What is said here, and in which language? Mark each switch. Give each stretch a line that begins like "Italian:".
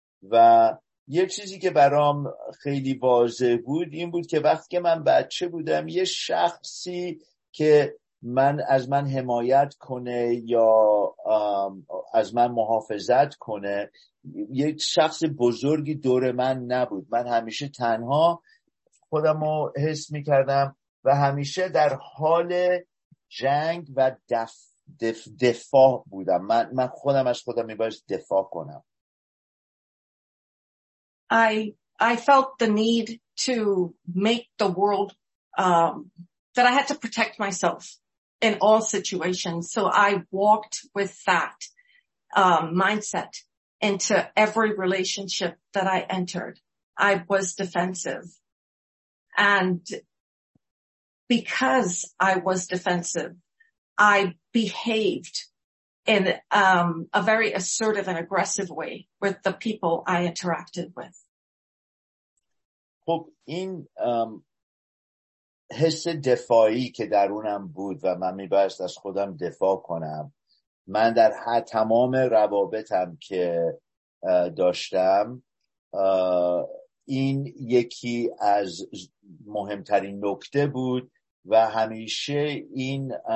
Persian: و یه چیزی که برام خیلی واضح بود این بود که وقتی که من بچه بودم یه شخصی که من از من حمایت کنه یا از من محافظت کنه، یک شخص بزرگی دور من نبود. من همیشه تنها خودم رو حس می کردم و همیشه در حال جنگ و دفاع بودم. من خودم از خودم می باید دفاع کنم.
English: I felt the need to make the world that I had to protect myself in all situations. So I walked with that mindset into every relationship that I entered. I was defensive. And because I was defensive, I behaved in a very assertive and aggressive way with the people I interacted with.
Persian: خب این حس دفاعی که درونم بود و من میبایست از خودم دفاع کنم، من در هر تمام روابطم که داشتم این یکی از مهمترین نکته بود و همیشه این